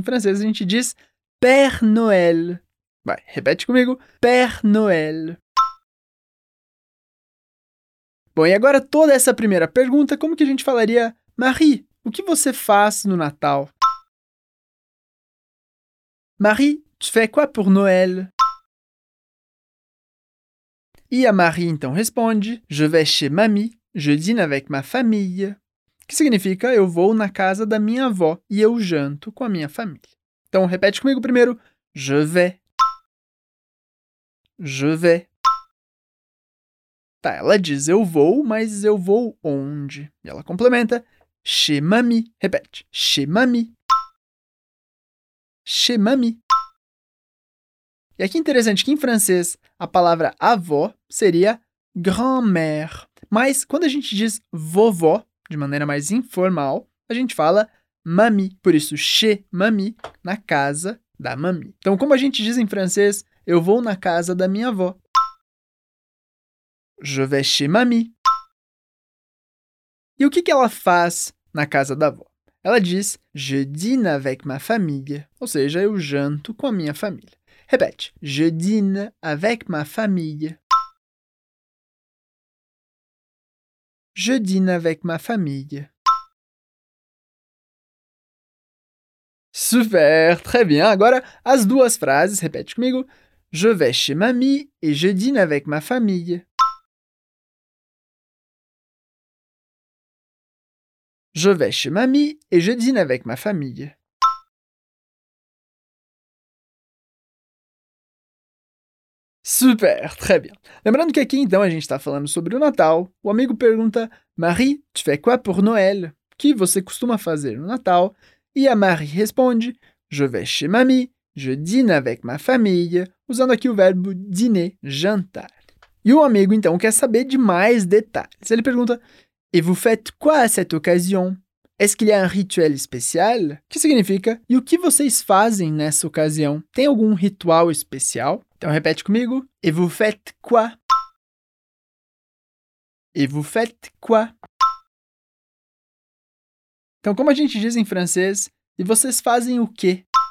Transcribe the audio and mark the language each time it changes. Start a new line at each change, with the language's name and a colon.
Portuguese: Em francês, a gente diz Père Noël. Vai, repete comigo.
French: Père Noël.
Portuguese: Bom, e agora toda essa primeira pergunta, como que a gente falaria Marie, o que você faz no Natal?
French: Marie, tu fais quoi pour Noël?
Portuguese: E a Marie então responde:
French: Je vais chez mamie, je dîne avec ma famille.
Portuguese: Que significa eu vou na casa da minha avó e eu janto com a minha família. Então repete comigo primeiro:
French: Je vais. Je vais.
Portuguese: Tá, ela diz eu vou, mas eu vou onde? E ela complementa:
French: Chez mamie.
Portuguese: Repete:
French: Chez mamie. Chez mamie.
Portuguese: E aqui é interessante que em francês a palavra avó seria grand-mère. Mas quando a gente diz vovó, de maneira mais informal, a gente fala mamie. Por isso,
French: chez mamie,
Portuguese: na casa da mamie. Então, como a gente diz em francês, eu vou na casa da minha avó.
French: Je vais chez mamie.
Portuguese: E o que ela faz na casa da avó? Ela diz,
French: je dîne avec ma famille.
Portuguese: Ou seja, eu janto com a minha família. Repete,
French: je dîne avec ma famille. Je dîne avec ma famille.
Portuguese: Super,
French: très bien.
Portuguese: Agora, as duas frases, repete comigo.
French: Je vais chez mamie et je dîne avec ma famille. Je vais chez mamie et je dîne avec ma famille. Super, très bien.
Portuguese: Lembrando que aqui, então, a gente está falando sobre o Natal. O amigo pergunta,
French: Marie, tu fais quoi pour Noël?
Portuguese: O que você costuma fazer no Natal? E a Marie responde,
French: je vais chez mamie, je dîne avec ma famille,
Portuguese: usando aqui o verbo dîner, jantar. E o amigo, então, quer saber de mais detalhes. Ele pergunta,
French: et vous faites quoi à cette occasion? Est-ce qu'il y a un rituel spécial?
Portuguese: Que significa, e o que vocês fazem nessa ocasião? Tem algum ritual especial? Então, repete comigo,
French: et vous faites quoi? Et vous faites quoi?
Portuguese: Então, como a gente diz em francês, e vocês fazem o quê?